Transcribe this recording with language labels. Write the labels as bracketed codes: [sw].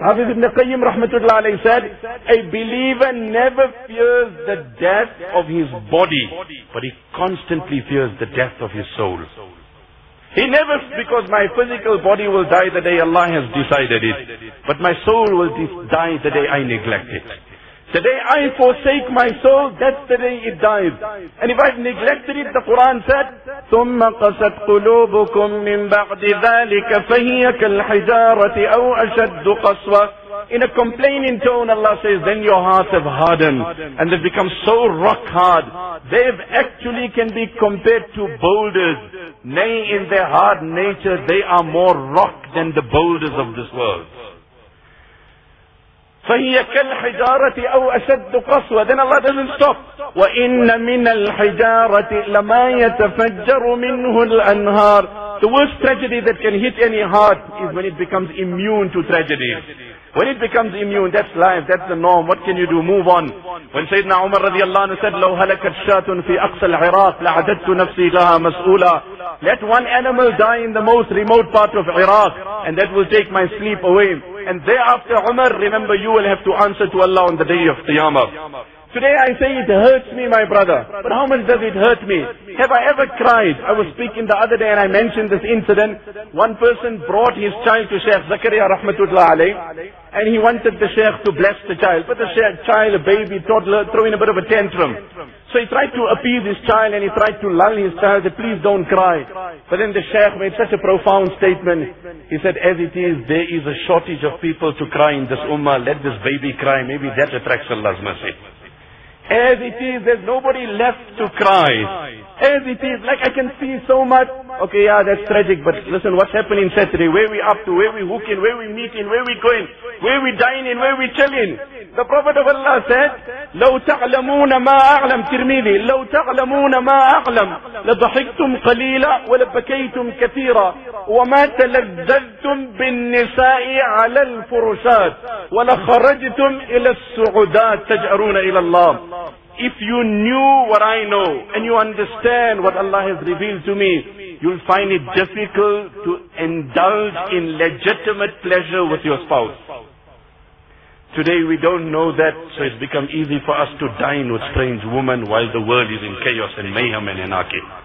[en] Hafiz ibn Qayyim rahmatullah alayhi said, a believer never fears the death of his body, but he constantly fears the death of his soul. He never, because my physical body will die the day Allah has decided it, but my soul will die the day I neglect it. The day I forsake my soul, that's the day it dies. And if I've neglected it, the Quran said, [ar] ثُمَّ قَسَتْ قُلُوبُكُمْ مِنْ بَعْدِ ذَلِكَ فَهِيَ كَالْحِجَارَةِ أَوْ أَشَدُّ قَسْوَةِ. [en] In a complaining tone, Allah says, then your hearts have hardened and they've become so rock hard. They've actually can be compared to boulders. Nay, in their hard nature, they are more rock than the boulders of this world. [ar] فَهِيَ كَالْحِجَارَةِ أَوْ أَشَدُّ قَصْوَةً. [en] Then Allah doesn't stop. [ar] وَإِنَّ مِنَ الْحِجَارَةِ لَمَا يَتَفَجَّرُ مِنْهُ الْأَنْهَارُ. [en] The worst tragedy that can hit any heart is when it becomes immune to tragedy. When it becomes immune, that's life, that's the norm. What can you do? Move on. When Sayyidina Umar radiallahu anhu said, [ar] لَوْ هَلَكَتْ شَاتٌ فِي أَقْصَى الْعِرَاقِ لَعَدَدْتُ نَفْسِي لَهَا مَسْئُولًا. [en] Let one animal die in the most remote part of Iraq, and that will take my sleep away. And thereafter, Umar, remember, you will have to answer to Allah on the day of Qiyamah. Today I say it hurts me, my brother. But how much does it hurt me? Have I ever cried? I was speaking the other day and I mentioned this incident. One person brought his child to Sheikh Zakaria rahmatullah alayh, and he wanted the Sheikh to bless the child. But the Sheikh, child, a baby, toddler, throwing a bit of a tantrum. So he tried to appease his child and he tried to lull his child, said, please don't cry. But then the Sheikh made such a profound statement. He said, as it is, there is a shortage of people to cry in this ummah. Let this baby cry. Maybe that attracts Allah's mercy. As it is, there's nobody left to cry. As it is, like I can see so much. Okay, yeah, that's tragic, but listen, what's happening Saturday? Where we up to? Where we hooking? Where we meeting? Where we going? Where we dining? Where we chilling? The Prophet of Allah said, [ar] لَوْ تَعْلَمُونَ مَا أَعْلَمْ تِرْمِذِي لَوْ تَعْلَمُونَ مَا أَعْلَمْ لَضَحِكْتُمْ قَلِيلًا وَلَبَكَيْتُمْ كَثِيرًا وَمَا تَلَذَّذْتُمْ بِالنِّسَاءِ عَلَى الْفُرُشَاتِ وَلَخَرَجْتُمْ إِلَى السُّعُدَاتِ تَجْأَرُونَ إِلَى اللَّهِ. [en] If you knew what I know and you understand what Allah has revealed to me, you'll find it difficult to indulge in legitimate pleasure with your spouse. Today we don't know that, so it's become easy for us to dine with strange women while the world is in chaos and mayhem and anarchy.